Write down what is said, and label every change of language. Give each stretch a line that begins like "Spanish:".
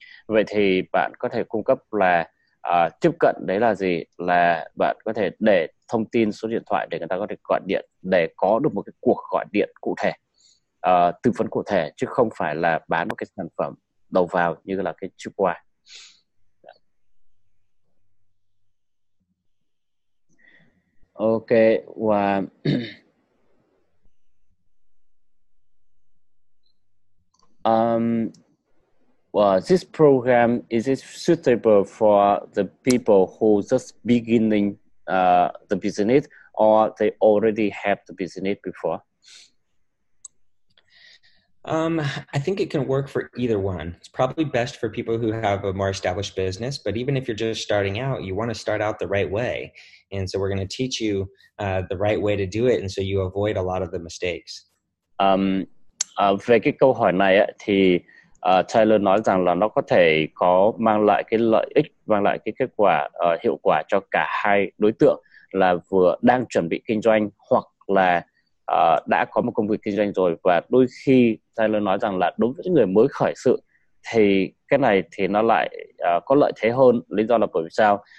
Vietnamese: Vậy thì bạn có thể cung cấp là tiếp cận đấy là gì, là bạn có thể để thông tin số điện thoại để người ta có thể gọi điện để có được một cái cuộc gọi điện cụ thể, tư vấn cụ thể, chứ không phải là bán một cái sản phẩm đầu vào như là cái chip qua.
English: Ok,
Vietnamese: và
English: well, this program, is it suitable for the people who just beginning the business, or they already have the business before? I think it can work for either one. It's probably best for people who have a more established business, but even if you're just starting out, you want to start out the right way. And so we're going to teach you the right way to do it, and so you avoid a lot of the mistakes.
Vietnamese: Về cái câu hỏi này ấy, thì Tyler nói rằng là nó có thể có mang lại cái lợi ích, mang lại cái kết quả hiệu quả cho cả hai đối tượng, là vừa đang chuẩn bị kinh doanh hoặc là đã có một công việc kinh doanh rồi. Và đôi khi Tyler nói rằng là đối với những người mới khởi sự thì cái này thì nó lại có lợi thế hơn. Lý do là bởi vì sao?